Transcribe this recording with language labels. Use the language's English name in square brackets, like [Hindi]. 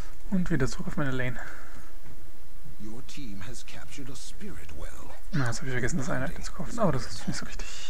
[German] Und wieder zurück auf meine Lane. [English] Your team has captured a spirit well. [German] Na, jetzt habe ich vergessen, das Einheit zu kaufen. Oh, das ist nicht so richtig.